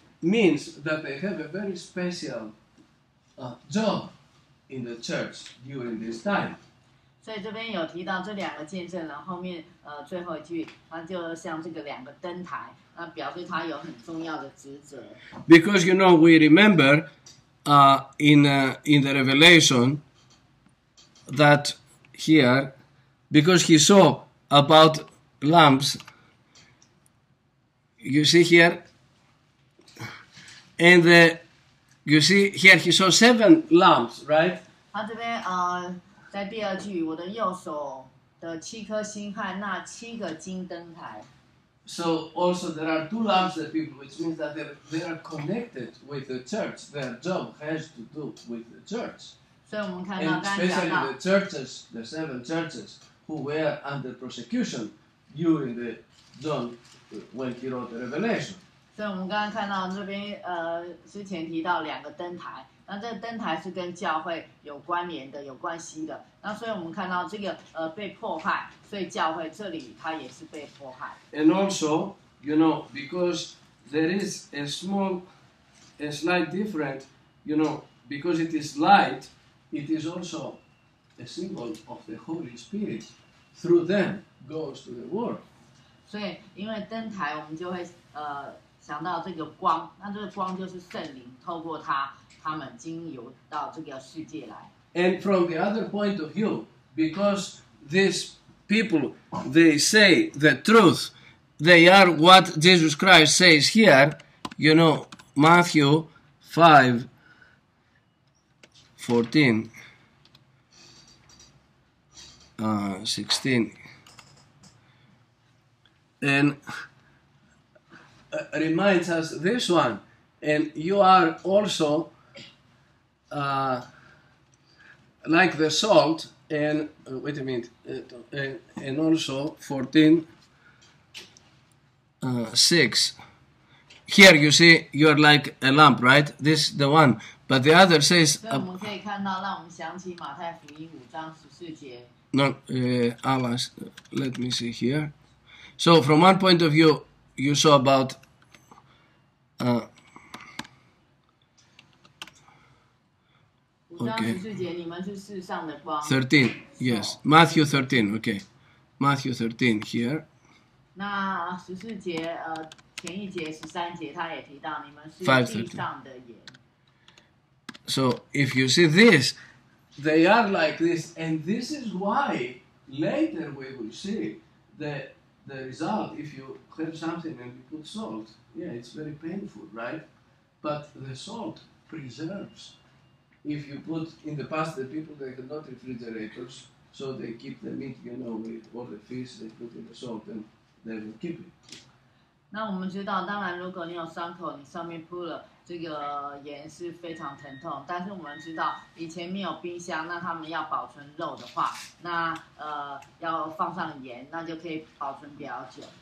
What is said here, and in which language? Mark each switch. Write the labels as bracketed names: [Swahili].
[English] Means that they have a very special job in the church during this time. [Chinese] 所以这边有提到这两个见证人后面最后一句，他就像这个两个灯台，那表示他有很重要的职责。 [English] Because you know we remember in the Revelation that here, because he saw about lamps, you see here. And you see here, he saw seven lamps, right? [Chinese] 他这边在第二句，我的右手的七颗星和那七个金灯台。 [English] So also there are two lamps that people, which means that they are connected with the church. Their job has to do with the church. [Chinese] 所以我们看到， [English] and especially the churches, the seven churches who were under persecution during the John when he wrote the Revelation. [Chinese] 所以我们刚刚看到这边之前提到两个灯台，那这个灯台是跟教会有关联的，有关系的。那所以我们看到这个被迫害，所以教会这里它也是被迫害。 [English] And also, you know, because there is a slight difference, you know, because it is light, it is also a symbol of the Holy Spirit. Through them goes to the world. [Chinese] 所以因为灯台，我们就会想到这个光，那这个光就是圣灵透过他们经由到这个世界来。 [English] And from the other point of view, because these people, they say the truth, they are what Jesus Christ says here, you know, Matthew 5:14, 16, and... reminds us this one, and you are also like the salt, and wait a minute, and also 14:6. Here you see you are like a lamp, right? This the one, but the other says. [Chinese] 所以我们可以看到，让我们想起马太福音5:14。 [English] No, Alice, let me see here. So from one point of view, you saw about. Okay. 13, yes. Matthew 13, okay. Matthew 13 here. [Chinese] 那十四节，前一节十三节，他也提到你们是地上的盐。 [English] So if you see this, they are like this, and this is why later we will see the result. If you have something and you put salt. Yeah, it's very painful, right? But the salt preserves. If you put in the past, the people, they had not refrigerators, so they keep the meat, you know, with all the fish, they put in the salt, and they will keep it. [Chinese] 那我们知道，当然，如果你有伤口，你上面铺了这个盐是非常疼痛。但是我们知道，以前没有冰箱，那他们要保存肉的话，那要放上盐，那就可以保存比较久。